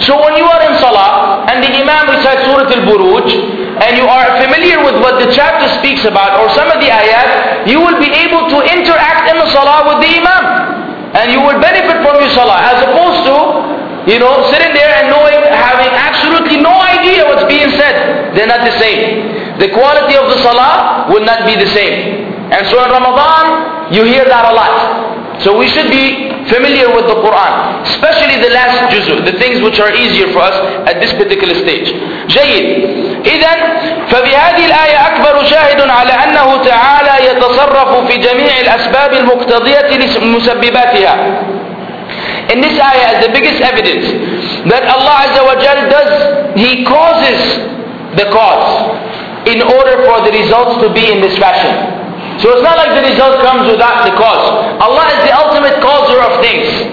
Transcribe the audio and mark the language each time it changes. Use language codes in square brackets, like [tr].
[en] So when you are in salah and the imam recites Surah Al-Buruj, and you are familiar with what the chapter speaks about or some of the ayat, you will be able to interact in the salah with the imam, and you will benefit from your salah, as opposed to, you know, sitting there and knowing, having absolutely no idea what's being said. They're not the same. The quality of the salah will not be the same. And so in Ramadan, you hear that a lot. So we should be familiar with the Quran, especially the last juzu, the things which are easier for us at this particular stage. [ar] جيد. إذن فبهذه الآية أكبر شاهد على أنه تعالى يتصرف في جميع الأسباب المقتضية لمسبباتها. [en] In this ayah is the biggest evidence that Allah Azza wa Jal does, He causes the cause in order for the results to be in this fashion. So it's not like the result comes without the cause. Allah is the ultimate causer of things.